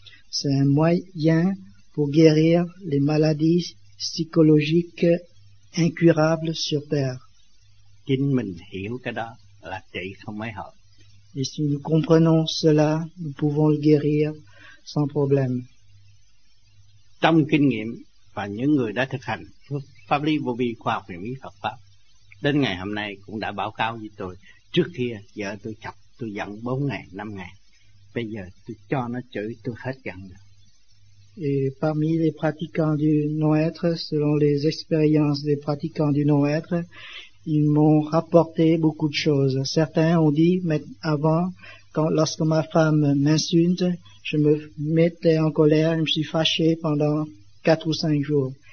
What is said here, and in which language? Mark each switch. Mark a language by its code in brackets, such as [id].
[fr] C'est un moyen pour guérir les maladies psychologiques incurables sur terre. [vi] Chính mình hiểu cái đó là trị không mấy hợp. [fr] Et si nous comprenons cela, nous pouvons le guérir sans problème. [vi] Trong kinh nghiệm và những người đã thực hành pháp lý vô vi khoa học huyền bí Phật pháp đến ngày hôm nay cũng đã báo cáo với tôi, trước kia vợ tôi chập tôi giận 4 ngày 5 ngày, bây giờ tôi cho nó chửi tôi hết giận được. [fr] Et parmi les pratiquants du non-être, selon les expériences des pratiquants du non-être, ils m'ont rapporté beaucoup de choses. Certains ont dit, mais avant, lorsque ma femme m'insulte, je me mettais en colère, je me suis fâché pendant 4 ou 5 jours.